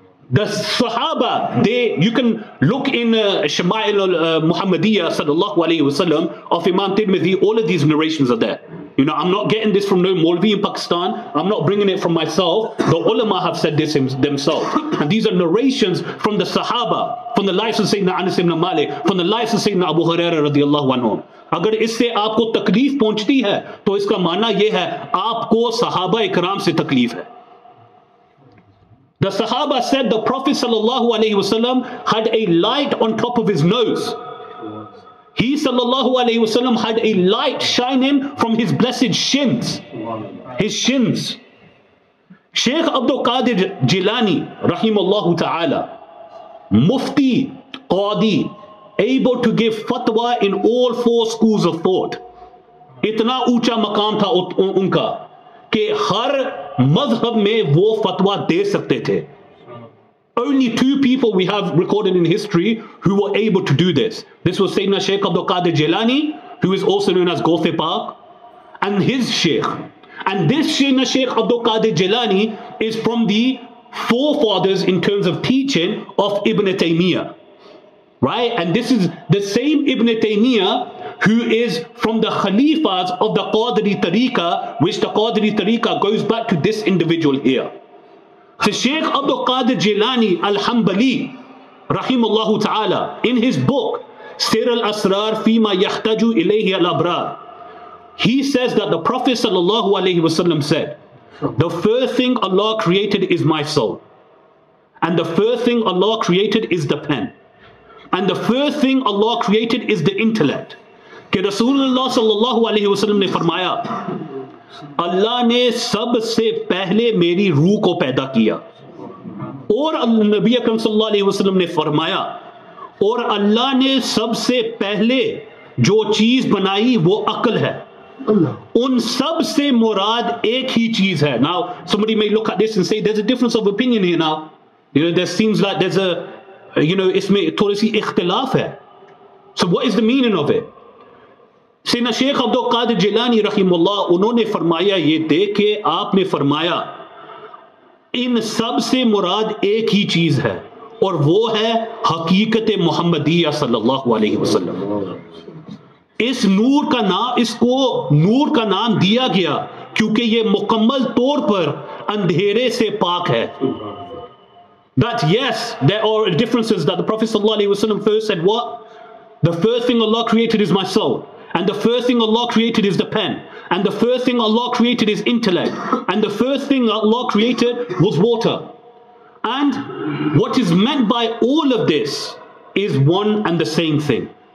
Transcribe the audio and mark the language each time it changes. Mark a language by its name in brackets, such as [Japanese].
[English] The Sahaba, you can look in Shamā'il Muhammadiyah sallallahu alayhi wa sallam of Imam Tirmidhi, all of these narrations are there. You know, I'm not getting this from no Maulvi in Pakistan. I'm not bringing it from myself. The ulama have said this themselves. And these are narrations from the Sahaba, from the lives of Sayyidina Anas ibn Malik, from the lives of Sayyidina Abu Huraira radiallahu anhu. [Urdu] اگر اس سے آپ کو تکلیف پہنچتی ہے، تو اس کا معنی یہ ہے، آپ کو صحابہ اکرام سے تکلیف ہے۔ [English] The Sahaba said the Prophet sallallahu alayhi wa sallam had a light on top of his nose. He sallallahu alayhi wa sallam had a light shining from his blessed shins. His shins. Sheikh Abdul Qadir Jilani, rahimallahu ta'ala, Mufti, Qadi, able to give fatwa in all four schools of thought. [Urdu] اتنا اونچا مقام تھا ان کا، کہ ہر مذہب میں وہ فتویٰ دے سکتے تھے۔ [English] Only two people we have recorded in history who were able to do this. This was Sayyidina Shaykh Abdul Qadir Jilani, who is also known as Ghawth-e Pak, and his Shaykh. And this Sayyidina Shaykh Abdul Qadir Jilani is from the forefathers in terms of teaching of Ibn Taymiyyah. Right? And this is the same Ibn Taymiyyah who is from the Khalifas of the Qadri Tariqah, which the Qadri Tariqah goes back to this individual here. So Shaykh Abdul Qadir Jilani Al-Hanbali, rahimallahu ta'ala, in his book, Sir al-Asrar Fima Yahtaju Ilayhi al-Abrar, he says that the Prophet sallallahu alayhi wa sallam said, the first thing Allah created is my soul. And the first thing Allah created is the pen. And the first thing Allah created is the intellect. [Urdu] کہ رسول اللہ صلی اللہ علیہ وسلم نے فرمایا، اللہ نے سب سے پہلے میری روح کو پیدا کیا۔ اور نبی اکرم صلی اللہ علیہ وسلم نے فرمایا، اور اللہ نے سب سے پہلے جو چیز بنائی وہ عقل ہے۔ ان سب سے مراد ایک ہی چیز ہے۔ [English] Now somebody may look at this and say there's a difference of opinion here now. You know, there seems like there's a, you know, [Urdu] isme thodi si ikhtilaf hai. [English] So what is the meaning of it? [Urdu] سیدنا شیخ عبدالقادر جیلانی رحمہ اللہ، انہوں نے فرمایا یہ دیکھے، آپ نے فرمایا، ان سب سے مراد ایک ہی چیز ہے، اور وہ ہے حقیقت محمدیہ صلی اللہ علیہ وسلم۔ اس نور کا نام، اسکو نور کا نام دیا گیا، کیونکہ یہ مکمل طور پر اندھیرے سے پاک ہے۔ [English] But yes, there are differences that the Prophet sallallahu alaihi wasallam first said what? The first thing Allah created is my soul. And the first thing Allah created is the pen. And the first thing Allah created is intellect. And the first thing Allah created was water. And what is meant by all of this is one and the same thing.